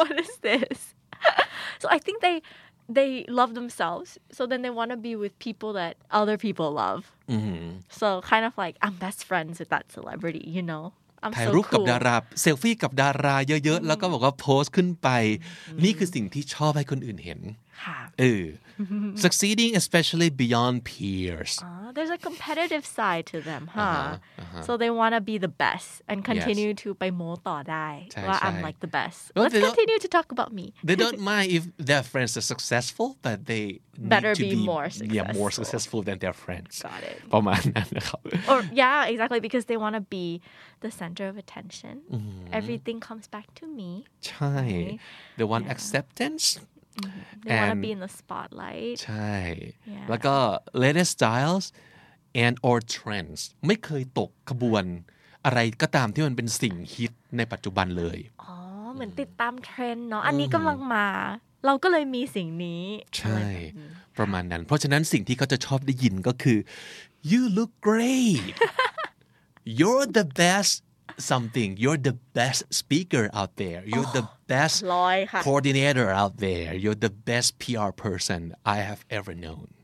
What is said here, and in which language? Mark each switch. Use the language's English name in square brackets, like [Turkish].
[English] What is this So I think they love themselves so then they want to be with people that other people love So kind of like I'm best friends with that celebrity you know [Thai] ถ่ายรูปกับดาราเซลฟี่กับดาราเยอะๆแล้วก็บอกว่าโพสต์ขึ้นไปนี่คือสิ่งที่ชอบให้คนอื่นเห็น ค่ะ [English] เออ succeeding especially beyond peers there's a competitive side to them huh so they want to be the best and continue to [Thai] ไปโม้ต่อได้ ว่ [English] า I'm like the best let's continue to talk about me they don't mind if their friends are successful but they better be more successful yeah more successful than their friends got it [Thai] ประมาณนั้นนะครับ [English] or yeah exactly because they want to be the center of attention everything comes back to me [Thai] ใช่ [English] they want acceptance They want to be in the spotlight. [Thai] ใช่แล้วก็ [English] latest styles and or trends. [Thai] ไม่เคยตกขบวนอะไรก็ตามที่มันเป็นสิ่งฮิตในปัจจุบันเลย อ๋อเหมือนติดตามเทรนด์เนาะอันนี้กำลังมาเราก็เลยมีสิ่งนี้ ใช่ประมาณนั้นเพราะฉะนั้นสิ่งที่เขาจะชอบได้ยินก็คือ [English] you look great you're the bestSomething. You're the best speaker out there. You're the best coordinator out there. You're the best PR person I have ever known.